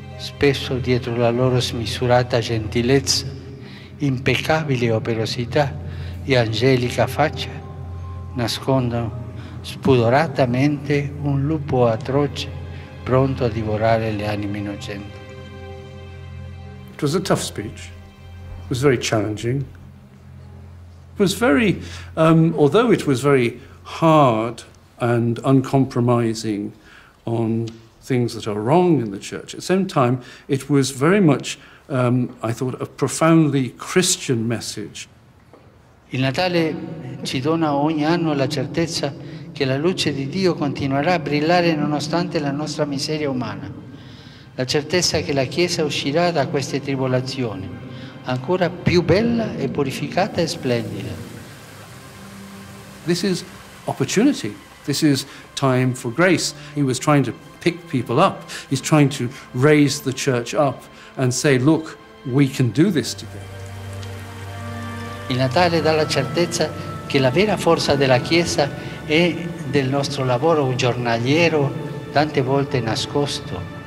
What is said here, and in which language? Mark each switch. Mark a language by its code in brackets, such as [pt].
[it] spesso dietro la loro smisurata gentilezza, impeccabile operosità e angelica faccia, nascondono spudoratamente un lupo atroce pronto a divorare le anime innocenti. [en] It was a tough speech. It was very challenging. It was very, although it was very hard and uncompromising on things that are wrong in the church, at the same time, it was very much, I thought, a profoundly Christian message. [it] Il Natale ci dona ogni anno la certezza che la luce di Dio continuerà a brillare nonostante la nostra miseria umana. La certezza che la Chiesa uscirà da queste tribolazioni, ancora più bella e purificata e splendida. [en] This is opportunity. This is time for grace. He was trying to pick people up. He's trying to raise the church up and say, look, we can do this together. [it] Il Natale dà la certezza che la vera forza della Chiesa è del nostro lavoro giornaliero, tante volte nascosto.